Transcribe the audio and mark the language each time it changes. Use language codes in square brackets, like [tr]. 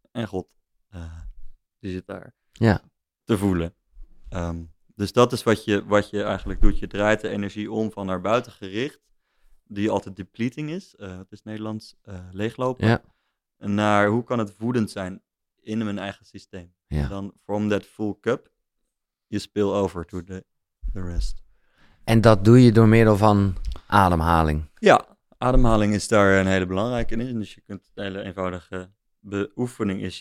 [nl] En God, die zit daar te voelen. Dus dat is wat je eigenlijk doet. Je draait de energie om van naar buiten gericht, die altijd depleting is. Het is Nederlands leeglopen. Ja. Naar hoe kan het voedend zijn in mijn eigen systeem. Ja. [en] Dan from that full cup, you spill over to the rest. [nl] En dat doe je door middel van ademhaling. Ja, ademhaling is daar een hele belangrijke in. Dus je kunt een hele eenvoudige beoefening is.